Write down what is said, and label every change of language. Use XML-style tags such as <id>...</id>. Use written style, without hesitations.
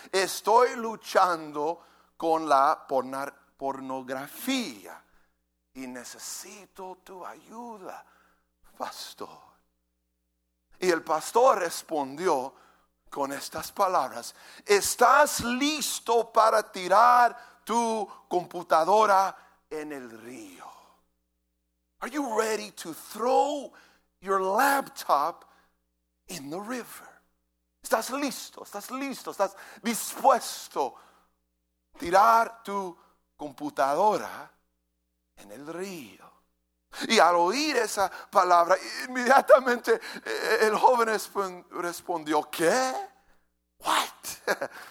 <es>Estoy luchando con la pornografía y necesito tu ayuda, pastor. Y el pastor respondió con estas palabras: ¿estás listo para tirar tu computadora en el río?</es> <en>Are you ready to throw your laptop in the river?</en> <es>¿Estás listo? ¿Estás dispuesto a tirar tu computadora en el río? Y al oír esa palabra, inmediatamente el joven respondió: ¿qué? ¿What?</es>